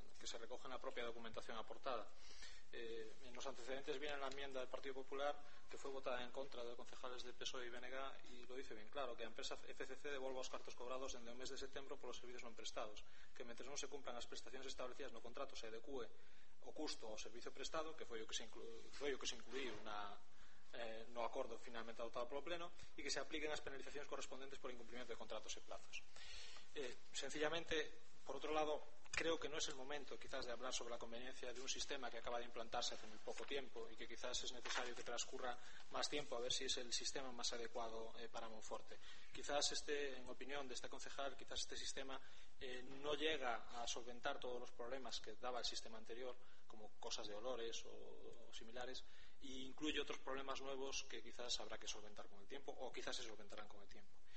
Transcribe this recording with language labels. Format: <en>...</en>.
<es>Que se recoge en la propia documentación aportada. En los antecedentes viene la enmienda del Partido Popular, que fue votada en contra de los concejales de PSOE y BNG, y lo dice bien claro, que la empresa FCC devuelva los cartos cobrados en el mes de septiembre por los servicios no prestados, que mientras no se cumplan las prestaciones establecidas en el contrato se adecue</es> <gl>o custo o servicio prestado, que foi o que se incluiu no acordo finalmente adoptado polo pleno, e que se apliquen as penalizacións correspondentes</gl> <es>por incumplimento de contratos e plazos.</es> <gl>Sencillamente, por outro lado, creo que non é o momento quizás de hablar sobre a conveniencia de un sistema que acaba de implantarse hace moi pouco tempo e que quizás é necesario que transcurra máis tempo a ver se si é o sistema máis adecuado para Monforte. Quizás este, en opinión de este concejal, quizás este sistema non llega a solventar todos os problemas que daba o sistema anterior, como</gl> <es>cosas de olores o similares,</es> <gl>e incluye outros problemas novos que quizás habrá que solventar con o tempo, ou quizás se solventarán con o tempo.</gl>